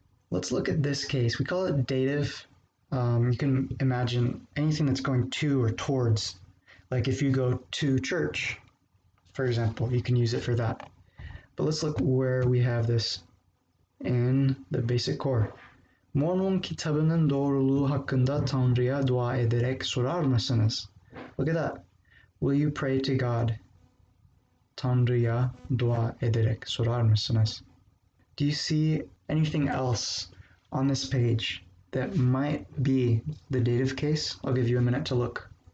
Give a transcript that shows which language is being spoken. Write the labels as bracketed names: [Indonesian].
[English] Let's look at this case. We call it dative. You can imagine anything that's going to or towards. Like if you go to church, for example, you can use it for that. But let's look where we have this in the basic core. [Turkish] Mormon kitabının doğruluğu hakkında Tanrı'ya dua ederek sorar mısınız? [English] Look at that. Will you pray to God? [Turkish] Tanrı'ya dua ederek sorar mısınız? [English] Do you see anything else on this page that might be the dative case? I'll give you a minute to look.